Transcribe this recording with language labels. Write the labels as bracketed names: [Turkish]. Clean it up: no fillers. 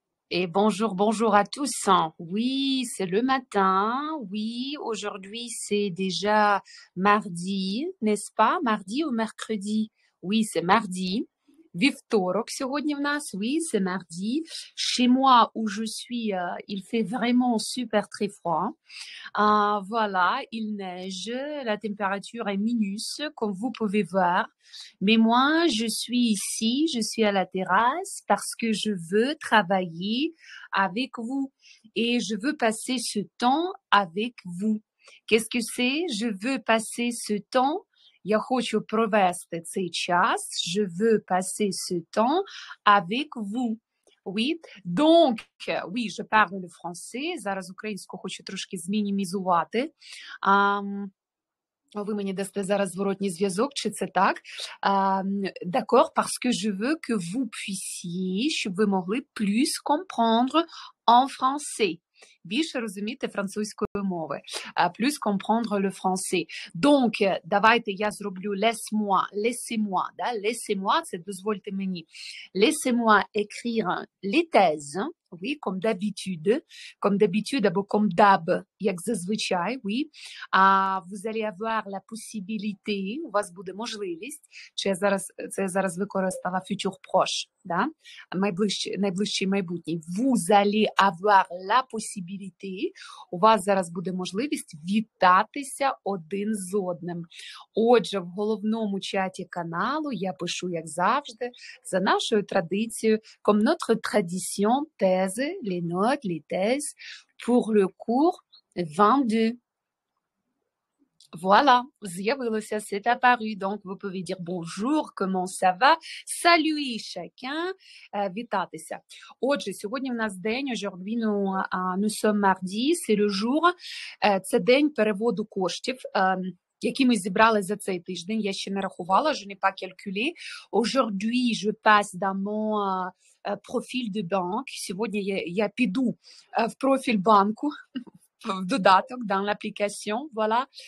[French] Et bonjour, bonjour à tous. Oui, c'est le matin. Oui, aujourd'hui, c'est déjà mardi, n'est-ce pas? Mardi ou mercredi? Oui, c'est mardi. [Ukrainian] Вівторок сьогодні в нас, [French] oui, c'est mardi. Chez moi, où je suis, il fait vraiment super très froid. Voilà, il neige, la température est minus, comme vous pouvez voir. Mais moi, je suis ici, je suis à la terrasse parce que je veux travailler avec vous et je veux passer ce temps avec vous. Qu'est-ce que c'est? Je veux passer ce temps. [Ukrainian] Я хочу провести цей час. [French] Je veux passer ce temps avec vous. Oui. Donc, oui, je parle le français. [Ukrainian] Зараз українську хочу трошки змінімізувати. Ви мені дасте зараз зворотній зв'язок, чи це так? [French] D'accord, parce que je veux que vous puissiez, [Ukrainian] щоб ви могли [French] plus comprendre en français. [Ukrainian] Більше розуміти французької мови, плюс [French] comprendre le français. [Ukrainian] Donc, давайте я зроблю laissez-moi, да? Laissez-moi, це дозвольте мені. [French] Laissez-moi écrire les thèses, oui, comme d'habitude, або comme d'hab, [Ukrainian] як зазвичай, [French] oui. Vous allez avoir la possibilité, [Ukrainian] у вас буде можливість, чи я зараз, це я зараз використала futur proche, да? Найближчий майбутній. [French] Vous allez avoir la possibilité, [Ukrainian] у вас зараз буде можливість вітатися один з одним. Отже, в головному чаті каналу я пишу, як завжди, за нашою традицією, [French] comme notre tradition, [Ukrainian] тези, [French] les notes, les thèses, pour le cours 22. Voilà, з'явилося, c'est apparu. Donc, vous pouvez dire bonjour, comment ça va? Salut chacun, вітатися. [Ukrainian] Отже, сьогодні в нас день, [French] aujourd'hui nous sommes mardi, c'est le jour, [Ukrainian] це день переводу коштів, які ми зібрали за цей тиждень. Я ще не рахувала, [French] je n'ai pas calculé. Aujourd'hui, je passe dans mon profil de banque. [Ukrainian] Сьогодні я піду в профіль банку. В додаток, [French] dans l'application, voilà.